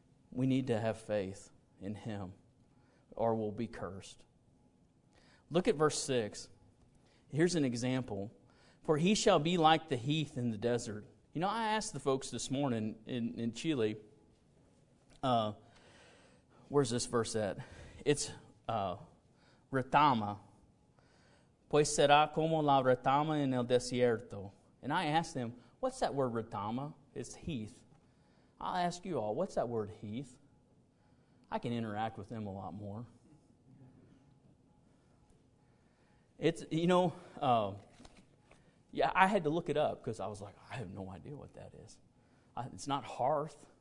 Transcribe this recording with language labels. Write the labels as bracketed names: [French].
[English] We need to have faith in Him, or we'll be cursed. Look at verse 6. Here's an example. For he shall be like the heath in the desert. You know, I asked the folks this morning in Chile, where's this verse at? It's Retama. [Spanish] Pues será como la retama en el desierto. [English] And I asked them, what's that word retama? It's heath. I'll ask you all, what's that word heath? I can interact with them a lot more. It's, you know, I had to look it up because I was like, I have no idea what that is. It's not hearth.